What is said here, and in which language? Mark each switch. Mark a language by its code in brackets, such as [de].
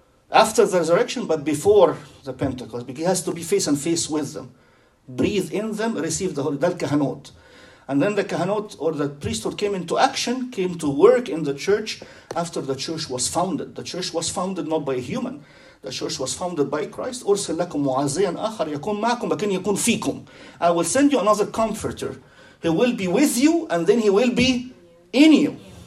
[en] After the resurrection, but before the Pentecost. Because he has to be face and face with them. Breathe in them, receive the Holy, that kahanot. And then the kahanot, or the priesthood, came into action, came to work in the church after the church was founded. The church was founded not by a human. The church was founded by Christ. [ar] أرسل لكم معزياً آخر يكون معكم لكن يكون فيكم. [en] I will send you another comforter. He will be with you, and then he will be in you.